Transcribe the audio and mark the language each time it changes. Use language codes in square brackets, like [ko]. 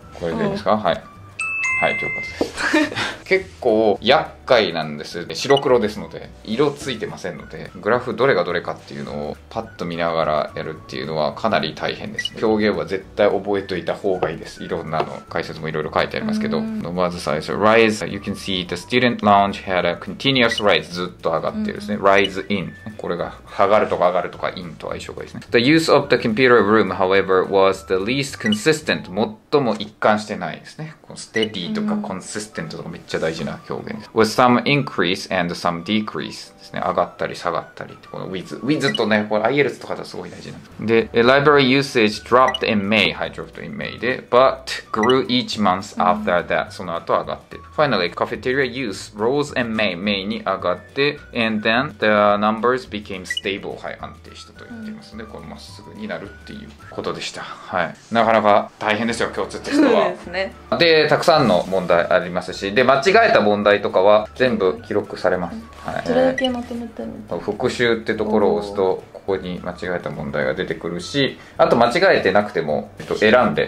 [ja] これでいいですか？はい。はい、ということです。結構厄介なんです。白黒ですので、色ついてませんので、グラフどれがどれかっていうのをパッと見ながらやるっていうのはかなり大変です。表現は絶対覚えといた方がいいです。いろんなの解説もいろいろ書いてありますけど。まず最初、 [en] rise, you can see the student lounge had a continuous rise. [ja] ずっと上がってるんですね。 [en] rise in. [ja] これが上がるとか in と相性がいいですね。 [en] The use of the computer room, however, was the least consistent. [ja] 最も一貫してないですね。このステディとかコンシステントとかめっちゃ大事な表現です。 [en] With some increase and some decrease [ja] ですね。上がったり下がったりって、この with とね、これ IELTS とかだとすごい大事なんです。 [en] で、library usage dropped in May. はい、dropped in May で。 But grew each month after that. [ja] その後上がって。 [en] Finally, cafeteria use rose in May. [ja] May に上がって。 [en] And then the numbers became stable. [ja] はい、安定したと言っていますので、このまっすぐになるっていうことでした。はい。なかなか大変ですよ、共通テストは。そうですね。でたくさんの問題ありますし、で間違えた問題とかは全部記録されます。はい、それだけまとめてる。復習ってところを押すとここに間違えた問題が出てくるし、あと間違えてなくても選んで